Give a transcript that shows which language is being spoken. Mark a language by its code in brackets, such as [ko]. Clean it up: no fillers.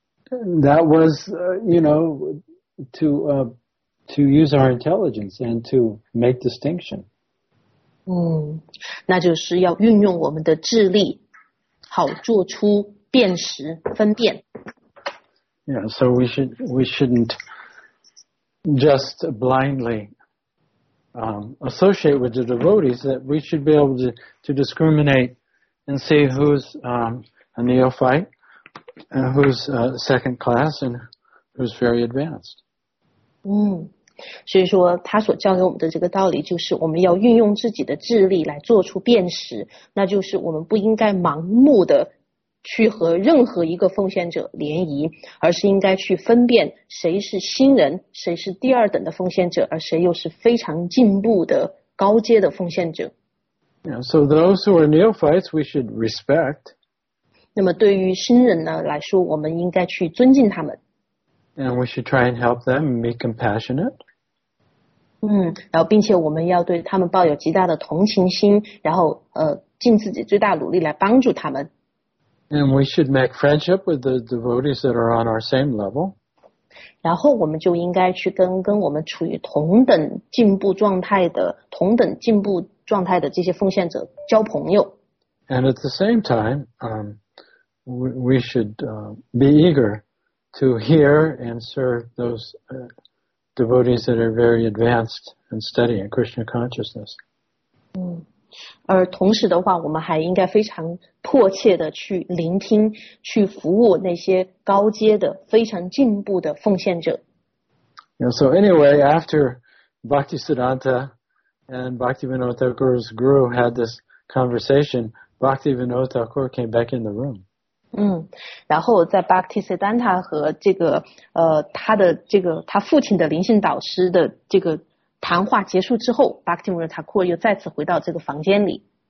[en] That was, you know, to use our intelligence and to make distinction. [zh] 那就是要运用我们的智力，好做出辨识分辨。 [en] Yeah, so we shouldn't just blindly associate with the devotees. That we should be able to discriminate and see who's a neophyte and who's second class and who's very advanced. [zh] 所以说他所教给我们的这个道理就是我们要运用自己的智力来做出辨识，那就是我们不应该盲目的去和任何一个奉献者联谊，而是应该去分辨谁是新人，谁是第二等的奉献者，而谁又是非常进步的高阶的奉献者。 [en] Yeah, so those who are neophytes, we should respect. [zh] 那么对于新人呢来说，我们应该去尊敬他们。 [en] And we should try and help them and be compassionate. [zh] 然后并且我们要对他们抱有极大的同情心，然后尽自己最大努力来帮助他们。 [en] And we should make friendship with the devotees that are on our same level. [zh] 然后我们就应该去跟我们处于同等进步状态的这些奉献者交朋友。 [en] And at the same time, we should be eager to hear and serve those devotees that are very advanced and studying Krishna consciousness. [zh] 而同时的话，我们还应该非常迫切的去聆听，去服务那些高阶的、非常进步的奉献者。 [en] Yeah, so anyway, after Bhaktisiddhanta and Bhaktivinoda Thakur's guru had this conversation, Bhaktivinoda Thakur came back in the room. [zh] 然后在 Bhaktisiddhanta 和这个他的这个他父亲的灵性导师的这个谈话结束之后， Bhaktivinoda Thakur 又再次回到这个房间里。